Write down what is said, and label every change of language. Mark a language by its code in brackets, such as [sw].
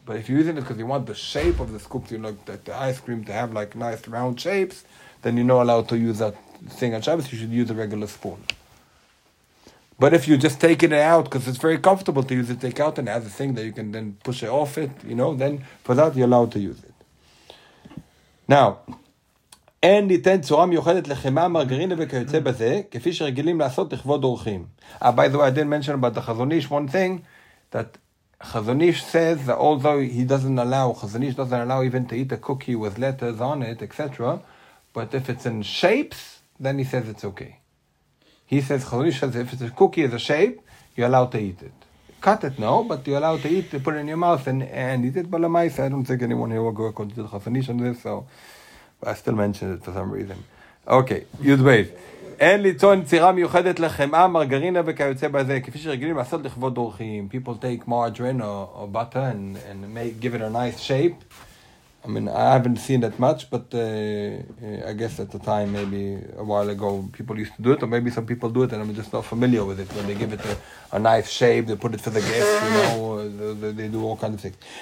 [en] But if you're using it because you want the shape of the scoop, you like the ice cream to have like nice round shapes, then you're not allowed to use that thing on Shabbos. You should use a regular spoon. But if you're just taking it out because it's very comfortable to use it, take out and have a thing that you can then push it off it, you know, then for that you're allowed to use it. [he] Now, אין ניתן צורה מיוחדת לחימה, מרגרינה וכיוצא בזה, כפי שרגילים לעשות לכבוד אורחים. [en] By the way, I didn't mention about the Chazonish one thing, that Chazonish says that although he doesn't allow, Chazonish doesn't allow even to eat a cookie with letters on it, etc. But if it's in shapes, then he says it's okay. He says, Chazonish says, if it's a cookie, it's a shape, you're allowed to eat it. Cut it, no, but you're allowed to eat it, put it in your mouth and eat it. But lemaisa, I don't think anyone here will go according to Chazonish on this, so I still mentioned it for some reason. Okay, you'd wait. [he] אין ליצון צירה מיוחדת לחמאה, מרגרינה וכיוצא בזה, כפי שרגילים לעשות לכבוד אורחים. [en] People take margarine or butter and make, give it a nice shape. I mean, I haven't seen that much, but I guess at the time, maybe a while ago, people used to do it, or maybe some people do it, and I'm just not familiar with it. When they give it a nice shape, they put it for the guests, you know, they do all kinds of things.